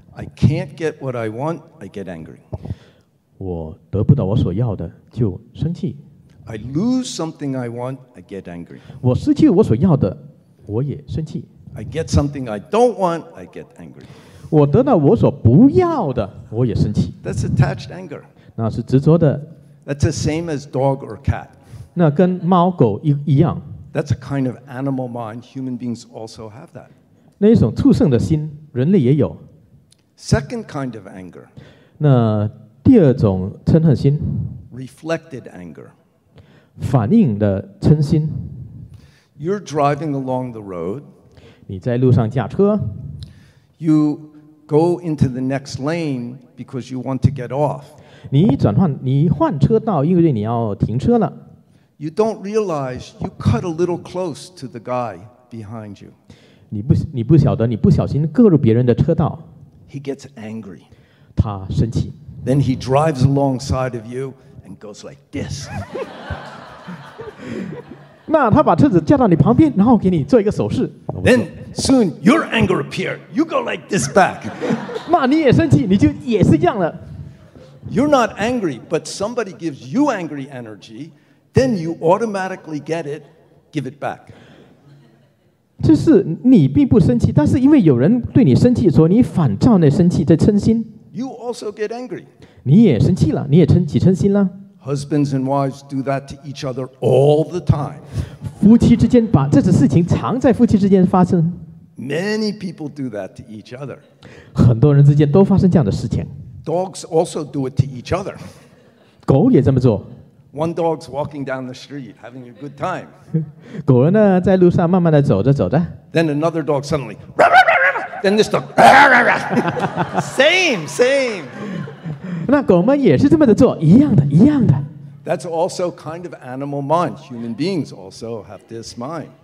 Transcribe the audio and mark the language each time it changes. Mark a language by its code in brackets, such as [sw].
[en] I can't get what I want, I get angry. [zh] 我得不到我所要的，就生气。 [en] I lose something I want, I get angry. [zh] 我失去我所要的，我也生气。 [en] I get something I don't want, I get angry. [zh] 我得到我所不要的，我也生气。 [en] That's attached anger. [zh] 那是执着的。 [en] That's the same as dog or cat. [zh] 那跟猫狗一样。 [en] That's a kind of animal mind. Human beings also have that. [zh] 那一种畜生的心，人类也有。 [en] Second kind of anger. [zh] 那第二种嗔恨心。 [en] Reflected anger. [zh] 反映的嗔心。 [en] You're driving along the road. [zh] 你在路上驾车。 [en] You go into the next lane because you want to get off. [zh] 你转换，你换车道，因为你要停车了。 [en] You don't realize you cut a little close to the guy behind you. [zh] 你不晓得，你不小心割入别人的车道。 [en] He gets angry. [zh] 他生气。 [en] Then he drives alongside of you and goes like this. [zh] 那他把车子架到你旁边，然后给你做一个手势。 [en] Then soon your anger appears. You go like this back. [zh] 那你也生气，你就也是这样的。 [en] You're not angry, but somebody gives you angry energy, then you automatically get it, give it back. [zh] 就是你并不生气，但是因为有人对你生气的时候，你反照那生气在嗔心。 [en] You also get angry. [zh] 你也生气了，你也嗔起嗔心了。 [en] Husbands and wives do that to each other all the time. [zh] 夫妻之间把这种事情常在夫妻之间发生。 [en] Many people do that to each other. [zh] 很多人之间都发生这样的事情。 [en] Dogs also do it to each other. [zh] 狗也这么做。 [en] One dog's walking down the street, having a good time. [zh] 狗呢，在路上慢慢的走着走着。 [en] Then another dog suddenly. Rah, rah, rah, rah. Then this dog. Rah, rah, rah. Same, same. [zh] 那狗们也是这么的做，一样的，一样的。 [en] That's also kind of animal mind. Human beings also have this mind.